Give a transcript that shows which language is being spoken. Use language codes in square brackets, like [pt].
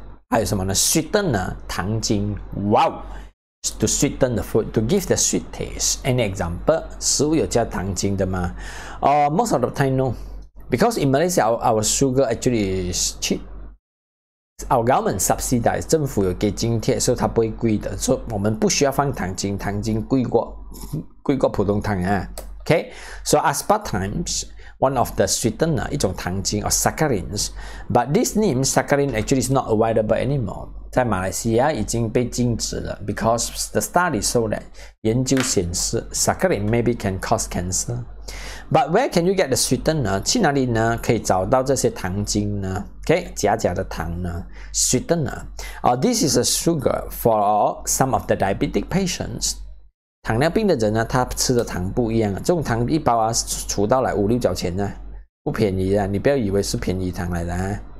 [zh] 还有什么呢 [en] ？Sweetener, 糖精。Wow. To sweeten the food, to give the sweet taste. Any example? [zh] 食物有加糖精的吗？ [en] Most of the time, no. Because in Malaysia, our sugar actually is cheap. Our government subsidized, [zh] 政府有给津贴，所以它不会贵的。所以我们不需要放糖精，糖精贵过普通糖啊。 [en] Okay? So aspartame's one of the sweetener, [zh] 一种糖精 [en] or saccharins. But this name, saccharin, actually is not available anymore. [zh] 在马来西亚已经被禁止了 [en] ，because the study showed that [zh] 研究显示 [en] ，saccharin maybe can cause cancer. But where can you get the sweetener? [zh] 去哪里呢？可以找到这些糖精呢 ？Okay, 假假的糖呢 ？Sweetener. [en] This is a sugar for some of the diabetic patients. [zh] 糖尿病的人呢，他吃的糖不一样啊。这种糖一包啊，除到来五六角钱呢、啊，不便宜啊。你不要以为是便宜糖来的、啊。